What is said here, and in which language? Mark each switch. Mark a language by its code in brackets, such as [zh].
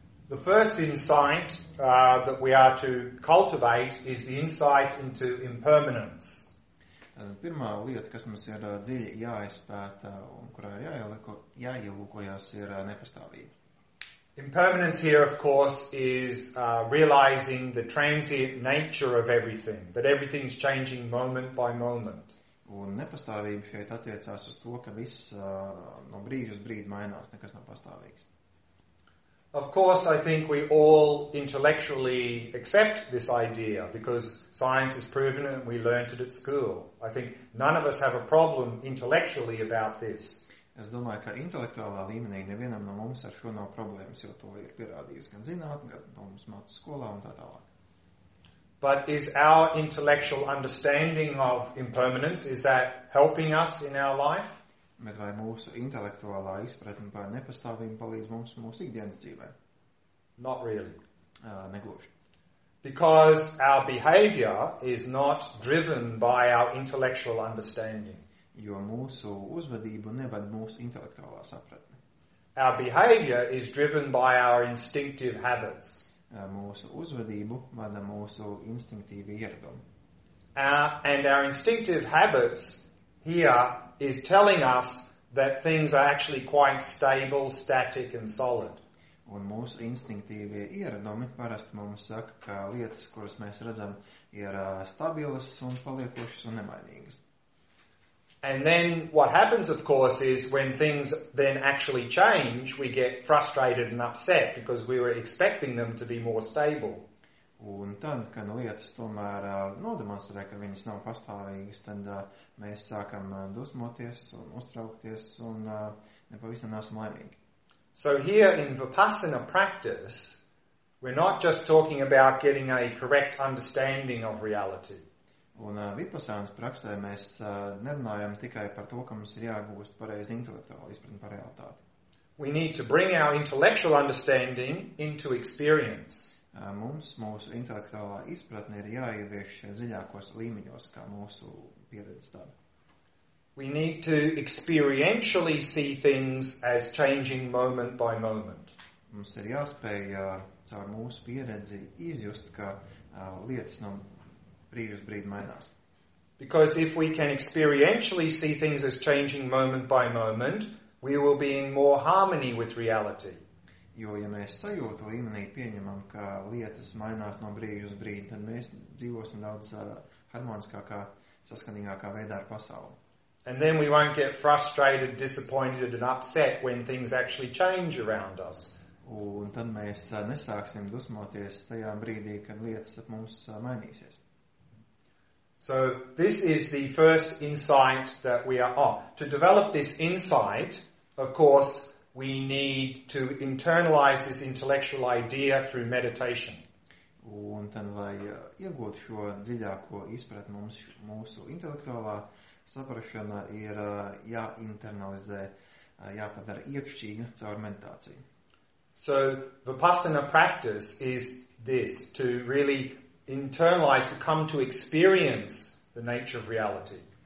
[en] The first insight that we are to cultivate is the insight into impermanence. [lv] Pirmā lieta, kas mums ir dziļi jāizpēta un kurā ir jāielūkojās, ir nepastāvība. [en] Impermanence here, of course, is realizing the transient nature of everything, that everything is changing moment by moment. [lv] Un nepastāvība šeit attiecās uz to, ka viss no brīža uz brīdi mainās, nekas nav pastāvīgs. [en] Of course, I think we all intellectually accept this idea because science has proven it and we learned it at school. I think none of us have a problem intellectually about this. [lv] Es domāju, ka intelektuālā līmenī nevienam no mums ar šo nav problēmas, jo to ir pierādījis gan zināt, gan to mums māca skolā un tā tālāk. [en] But is our intellectual understanding of impermanence, is that helping us in our life? [lv] Bet vai mūsu intelektuālā izpratne par nepastāvību palīdz mums mūsu ikdienas dzīvē? [en] Not really. [lv] Negluši. [en] Because our behavior is not driven by our intellectual understanding. [lv] Jo mūsu uzvedību nevad mūsu intelektuālā sapratne. [en] Our behavior is driven by our instinctive habits. [lv] Mūsu uzvedību vada mūsu instinktīvi ieradumi. [en] And our instinctive habits here is telling us that things are actually quite stable, static and solid. [lv] Un mūsu instinktīvie ieradumi parasti mums saka, ka lietas, kuras mēs redzam, ir stabilas un paliekošas un nemainīgas. [en] And then what happens, of course, is when things then actually change, we get frustrated and upset because we were expecting them to be more stable. [lv] Un tad, kad lietas tomēr nodemonstrē, ka viņas nav pastāvīgas, tad mēs sākam dusmoties un uztraukties un nepavisam nesam laimīgi. [en] So here in Vipassana practice, we're not just talking about getting a correct understanding of reality. [lv] Un Vipassānas praksē mēs nerunājam tikai par to, ka mums ir jāgūst pareizi intelektuāli izpratni par realitāti. [en] We need to bring our intellectual understanding into experience. [lv] Mums mūsu intelektuālā izpratne ir jāievieš dziļākos līmeņos, kā mūsu pieredze dara. [en] We need to experientially see things as changing moment by moment. [lv] Mums ir jāspēj caur mūsu pieredzi izjust, ka lietas no brīža uz brīdi mainās. [en] Because if we can experientially see things as changing moment by moment, we will be in more harmony with reality. [lv] Jo, ja mēs sajūtu līmenī pieņemam, ka lietas mainās no brīža uz brīdi, tad mēs dzīvosim daudz harmoniskākā, saskanīgākā veidā ar pasauli. [en] And then we won't get frustrated, disappointed and upset when things actually change around us. [lv] Un tad mēs nesāksim dusmoties tajā brīdī, kad lietas ap mums mainīsies. [en] So this is the first insight that we are on. To develop this insight, of course, we need to internalize this intellectual idea through meditation. [lv] Un tad, lai iegūtu šo dziļāko izpratni mums, mūsu intelektuālā saprašana ir jāinternalizē, jāpadara iekšķīga caur meditāciju. [en] So Vipassana practice is this, to really internalize, to come to experience the nature of reality.